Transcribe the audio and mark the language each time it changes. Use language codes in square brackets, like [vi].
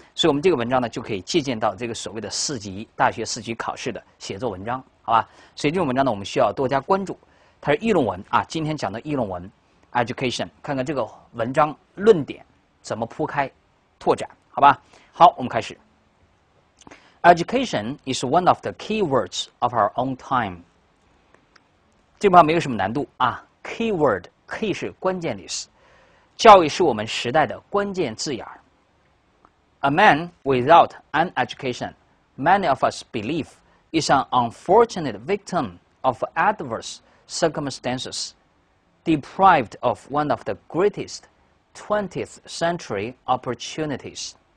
[zh] 所以我们这个文章呢就可以借鉴到这个所谓的四级大学四级考试的写作文章，好吧？所以这种文章呢我们需要多加关注，它是议论文啊，今天讲的议论文 education， 看看这个文章论点怎么铺开拓展，好吧？好，我们开始。 [en] Education is one of the keywords of our own time. [zh] 这句话没有什么难度啊。 Keyword, key 是关键词，教育是我们时代的关键字眼。 [en] A man without an education, many of us believe, is an unfortunate victim of adverse circumstances, deprived of one of the greatest 20th century opportunities.